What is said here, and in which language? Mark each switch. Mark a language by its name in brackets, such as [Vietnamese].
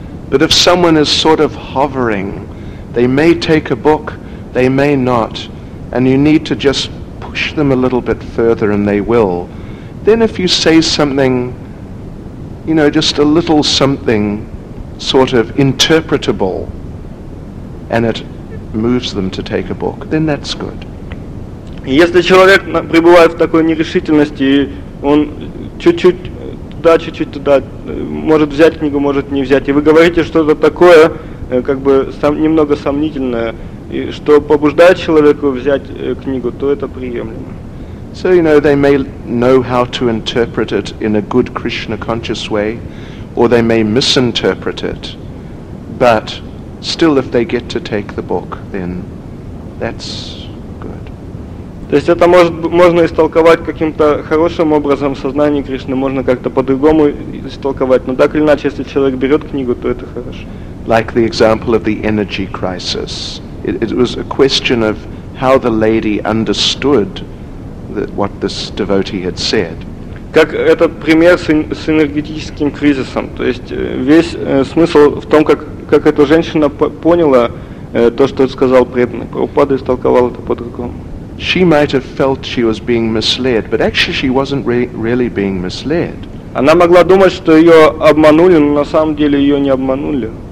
[English] But if someone is sort of hovering, they may take a book, they may not, and you need to just push them a little bit further and they will. Then if you say something, you know, just a little something sort of interpretable and it moves them to take a book, then that's good. [Russian] Если человек пребывает в такой нерешительности, он чуть-чуть туда, чуть-чуть туда, может взять книгу, может не взять, и вы говорите что-то такое, как бы немного сомнительное, и что побуждает человека взять книгу, то это приемлемо. [English] So, you know, they may know how to interpret it in a good Krishna-conscious way, or they may misinterpret it, but still, if they get to take the book, then that's good. [Russian] То есть это можно истолковать каким-то хорошим образом в сознании Кришны, можно как-то по-другому истолковать, но так или иначе, если человек берет книгу, то это хорошо. [English] like the example of the energy crisis. It was a question of how the lady understood what this devotee had said. [Russian] Как этот пример с энергетическим кризисом, то есть весь смысл в том, как эта женщина поняла то, что сказал преданный Прабхупада, истолковала это по-другому. [English] She might have felt she was being misled, but actually she wasn't really being misled. [Russian] Она могла думать, что ее обманули, но на самом деле ее не обманули.